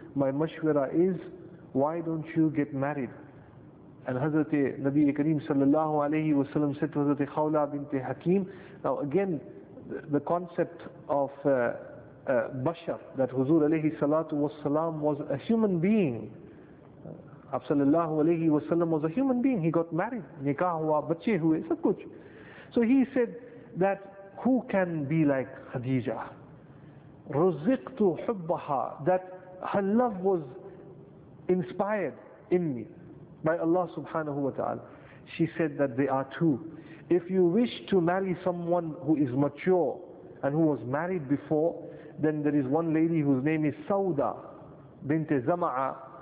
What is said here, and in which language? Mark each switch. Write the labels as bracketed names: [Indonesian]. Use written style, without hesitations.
[English] My mashwara is, why don't you get married? And Hazrat Nabi Kareem sallallahu alayhi wa sallam said to Hazrat Khawla bint Hakim, now again, the concept of Bashar, that Huzur alayhi salatu wa salam was a human being. Sallallahu alayhi wa sallam was a human being. He got married. [Hindi] निकाह हुआ, बच्चे हुए, सब कुछ. [English] So he said that who can be like Khadija? [Arabic] Ruziqtu hubbaha, [English] that her love was inspired in me by Allah subhanahu wa ta'ala. She said that they are two. If you wish to marry someone who is mature and who was married before, then there is one lady whose name is Sauda bint Zama'a.